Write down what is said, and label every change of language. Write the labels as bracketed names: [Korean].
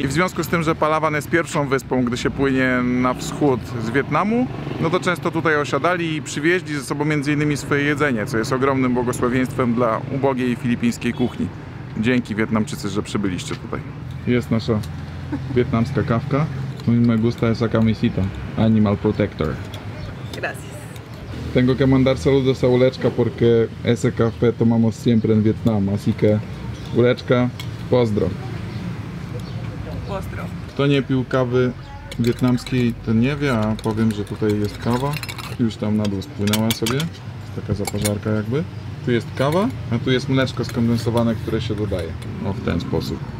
[Polish] I w związku z tym, że Palawan jest pierwszą wyspą, gdy się płynie na wschód z Wietnamu, no to często tutaj osiadali i przywieźli ze sobą między innymi swoje jedzenie, co jest ogromnym błogosławieństwem dla ubogiej filipińskiej kuchni. Dzięki Wietnamczycy, że przybyliście tutaj. Jest nasza wietnamska kawka. [Spanish] Mój me gusta esa camisita. Animal protector. Gracias. Tengo que mandar saludos a Uleczka, porque ese café tomamos siempre en Vietnam. Así que, Uleczka, [Polish] pozdro. Pozdro. Kto nie pił kawy wietnamskiej, ten nie wie, a powiem, że tutaj jest kawa. Już tam na dół spłynęła sobie. Taka zapażarka jakby. Tu jest kawa, a tu jest mleczko skondensowane, które się dodaje. O, w ten sposób.